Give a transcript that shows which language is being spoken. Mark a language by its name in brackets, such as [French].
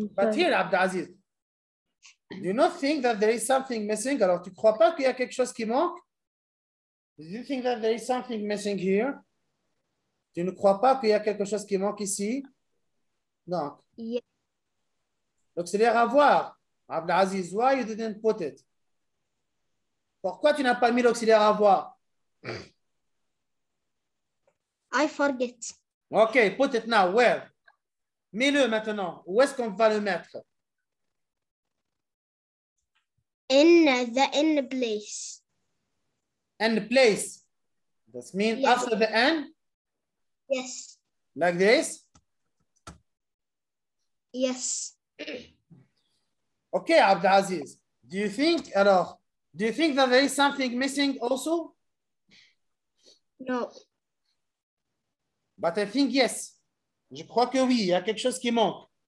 [English] But here, Abdelaziz, do you not think that there is something missing? [French] Alors, tu ne crois pas qu'il y a quelque chose qui manque? [English] Do you think that there is something missing here? [French] Tu ne crois pas qu'il y a quelque chose qui manque ici? Non. [English] Yeah. [French] Donc, c'est l'air à voir. [English] Abdelaziz, why you didn't put it? [French] Pourquoi tu n'as pas mis l'auxiliaire à voir? [English] I forget. OK, put it now. Where? [French] Mets-le maintenant. Où est-ce qu'on va le mettre? [English] In the in place. In place. That means yes. After the N? Yes. Like this? Yes. OK, Abdelaziz. Do you think that there is something missing also? No. But I think yes. [French] Je crois que oui, il y a quelque chose qui manque.